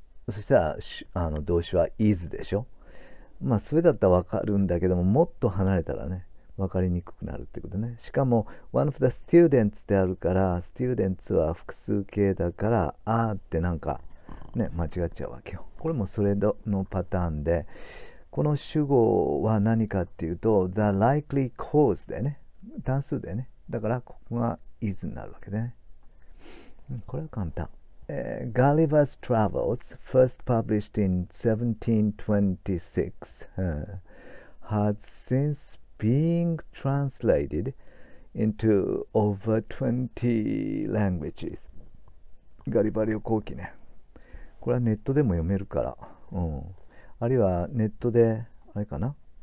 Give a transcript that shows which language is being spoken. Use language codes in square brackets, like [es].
[ja] そしたら、動詞は is でしょ。まあ、それだったらわかるんだけども、もっと離れたらね、分かりにくくなるってことね。しかも、 [en] one of the students [ja] ってあるから、students は複数形だから、あーってなんかね、間違っちゃうわけよ。これもそれのパターンで、この主語は何かっていうと、 [en] the likely cause [ja] だよね。単数だよね。だから、ここが is になるわけね。これは簡単。 [en] Gulliver's Travels, first published in 1726, has since being translated into over 20 languages. [ja] ガリバー旅行記ね。これはネットでも読めるから。あるいはネットで、あれかな？